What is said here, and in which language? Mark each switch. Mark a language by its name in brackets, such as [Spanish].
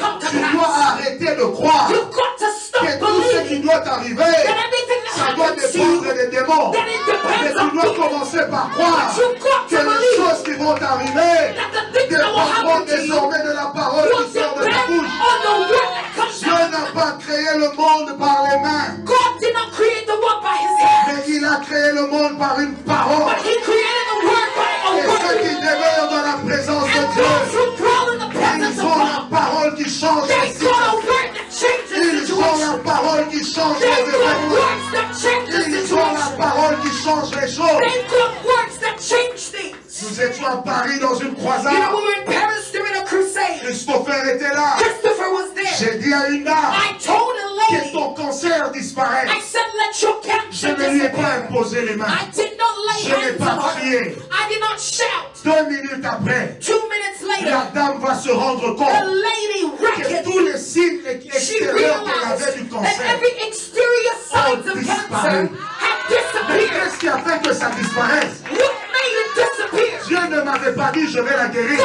[French] Tu dois arrêter de croire que tout ce qui doit t'arriver, ça doit dépendre des démons. Mais tu dois commencer par croire que les choses qui vont t'arriver dépendront désormais de la parole qui sort de ta bouche. Dieu n'a pas créé le monde par les mains. [English] God did not create the world by his hands. [French] Mais il a créé le monde par une parole. [English] But he created the world by a word. [French] Et ceux qui demeurent dans la présence [English] and [French] de Dieu, [English] those who dwell in the presence [French] ils ont [English] of [French] la parole qui change la situation. Ils ont la parole qui change les événements. Ils ont la parole qui change les choses. [English] They've got words that change things. [French] Nous étions à Paris dans une croisade. [English] You know, we were in Paris during a crusade. [French] Christopher était là. [English] Christopher was there. [French] J'ai dit à une dame. [English] I told a lady. [French] Que ton cancer disparaisse. [English] I said let your cancer disappear. [French] Je ne lui ai pas imposé les mains. [English] I did not lay [French] je n'ai pas crié. [English] I did not shout. [French] Deux minutes après. [English] Two minutes later. [French] La dame va se rendre compte. [English] The lady reckoned. [French] Que tous les signes extérieurs qu'elle avait du cancer. [English] That every exterior signs of cancer had disappeared. [French] Mais qu'est-ce qui a fait que ça disparaisse? [English] What made it disappear? [French] Dieu ne m'avait pas dit je vais la guérir.